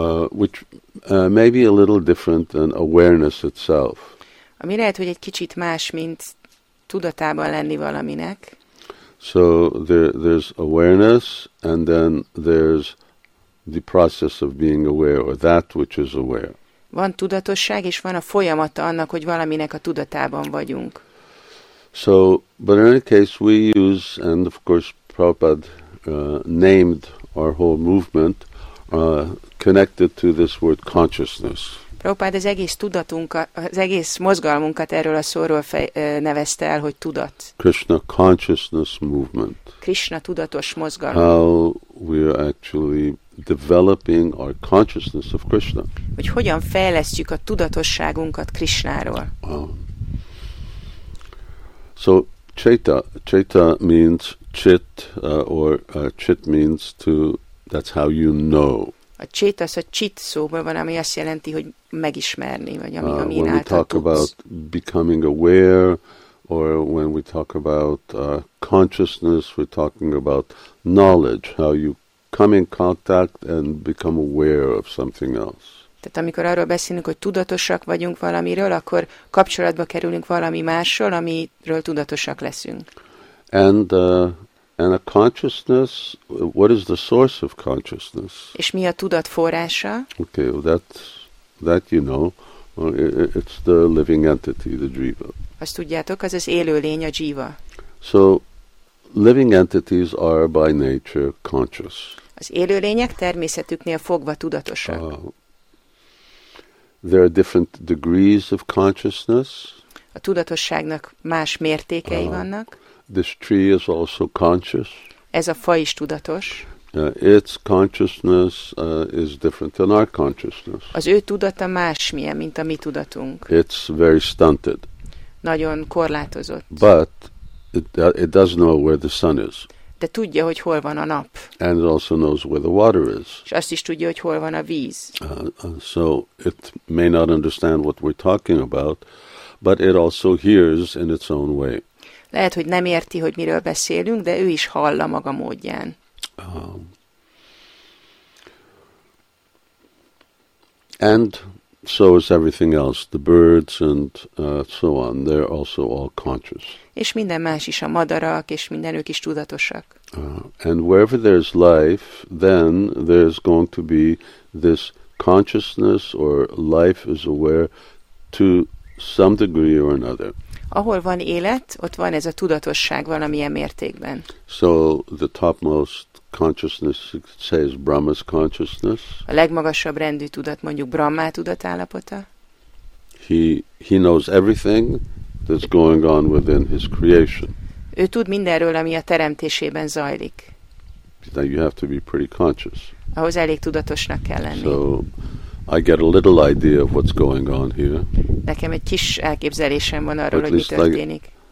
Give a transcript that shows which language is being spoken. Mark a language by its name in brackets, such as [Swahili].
[English] Which may be a little different than awareness itself. [Hungarian] Ami lehet, hogy egy kicsit más, mint tudatában lenni valaminek. [English] So there's awareness, and then there's the process of being aware, or that which is aware. [Hungarian] Van tudatosság, és van a folyamata annak, hogy valaminek a tudatában vagyunk. [English] So, but in any case, we use, and of course Prabhupada named our whole movement, connected to this word consciousness. [Hungarian] Prabhupada az egész tudatunkat, az egész mozgalmunkat erről a szóról nevezte el, hogy tudat. [English] Krishna consciousness movement. [Hungarian] Krishna tudatos mozgalom. [English] How we are actually developing our consciousness of Krishna. [Hungarian] Hogy hogyan fejlesztjük a tudatosságunkat Krishnáról. [English] So chaita means chit chit means to, that's how you know. [Hungarian] A chit az a chit szóból van, ami azt jelenti, hogy megismerni, vagy ami amin általa tudsz. [English] about becoming aware, or when we talk about consciousness, we're talking about knowledge, how you come in contact and become aware of something else. [Hungarian] Tehát amikor arról beszélünk, hogy tudatosak vagyunk valamiről, akkor kapcsolatba kerülünk valami mással, amiről tudatosak leszünk. [English] And a consciousness, what is the source of consciousness? [Hungarian] És mi a tudat forrása? [English] Okay, well that you know, it's the living entity, the jiva. [Hungarian] Azt tudjátok, az az élő lény, a jiva. [English] So living entities are by nature conscious. [Hungarian] Az élő lények természetüknél fogva tudatosak. [English] There are different degrees of consciousness. [Hungarian] A tudatosságnak más mértékei vannak. [English] This tree is also conscious. [Hungarian] Ez a fa is tudatos. [English] Its consciousness is different than our consciousness. [Hungarian] Az ő tudata másmilyen, mint a mi tudatunk. [English] It's very stunted. [Hungarian] Nagyon korlátozott. [English] But it does know where the sun is. [Hungarian] De tudja, hogy hol van a nap. [English] And it also knows where the water is. [Hungarian] És azt is tudja, hogy hol van a víz. [English] So it may not understand what we're talking about, but it also hears in its own way. [Hungarian] Lehet, hogy nem érti, hogy miről beszélünk, de ő is hallja maga módján. [English] And so is everything else, the birds and so on, they're also all conscious. [Hungarian] És minden más is, a madarak és minden, ők is tudatosak. [English] And wherever there's life, then there's going to be this consciousness, or life is aware to some degree or another. [Hungarian] Ahol van élet, ott van ez a tudatosság valamilyen mértékben. [English] So the topmost consciousness says Brahma's consciousness. [Hungarian] A legmagasabb rendű tudat, mondjuk Brahma tudatállapota. [English] He knows everything that's going on within his creation. [Hungarian] Ő tud mindenről, ami a teremtésében zajlik. [English] Then you have to be pretty conscious. [Hungarian] Ahhoz elég tudatosnak kell lenni. [English] So I get a little idea of what's going on here. [Hungarian] Nekem egy kis elképzelésem van arról, hogy mi történik.